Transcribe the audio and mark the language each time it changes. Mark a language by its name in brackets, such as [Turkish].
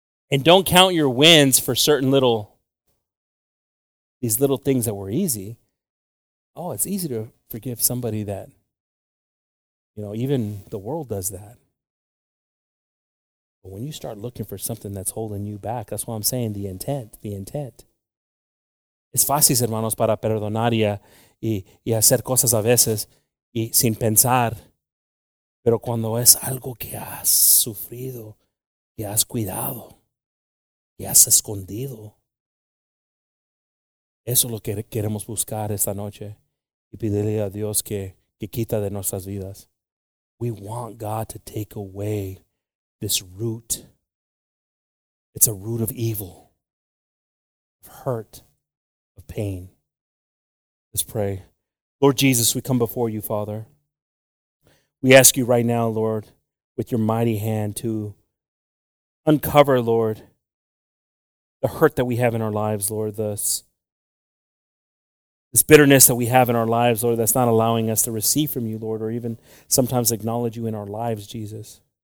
[English] And don't count your wins for certain little things that were easy. Oh, it's easy to forgive somebody that, you know, even the world does that. But when you start looking for something that's holding you back, that's why I'm saying the intent. [Spanish] Es fácil, hermanos, para perdonar y hacer cosas a veces y sin pensar. Pero cuando es algo que has sufrido, que has cuidado, que has escondido, eso es lo que queremos buscar esta noche. Y pedirle a Dios que quita de nuestras vidas. [English] We want God to take away this root. It's a root of evil, of hurt, of pain. Let's pray. Lord Jesus, we come before you, Father. We ask you right now, Lord, with your mighty hand to uncover, Lord, the hurt that we have in our lives, Lord, this bitterness that we have in our lives, Lord, that's not allowing us to receive from you, Lord, or even sometimes acknowledge you in our lives, Jesus.